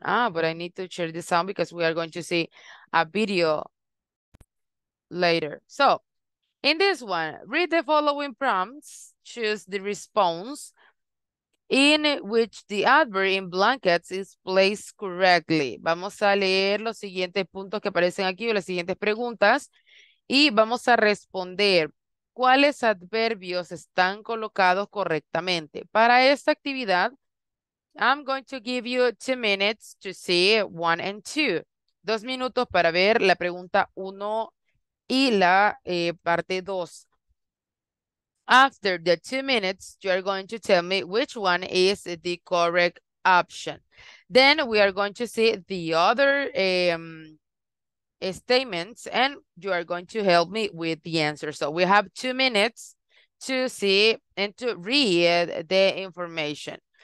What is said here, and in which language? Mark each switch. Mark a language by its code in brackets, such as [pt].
[en] Ah, but I need to share the sound because we are going to see a video later. So, in this one, read the following prompts. Choose the response in which the adverb in blankets is placed correctly. [es] Vamos a leer los siguientes puntos que aparecen aquí o las siguientes preguntas. Y vamos a responder cuáles adverbios están colocados correctamente. Para esta actividad, [en] I'm going to give you 2 minutes to see 1 and 2. [es] 2 minutos para ver la pregunta 1 y la parte 2. [en] After the 2 minutes, you are going to tell me which one is the correct option. Then we are going to see the other statements, and you are going to help me with the answer. So we have 2 minutes to see and to read the information.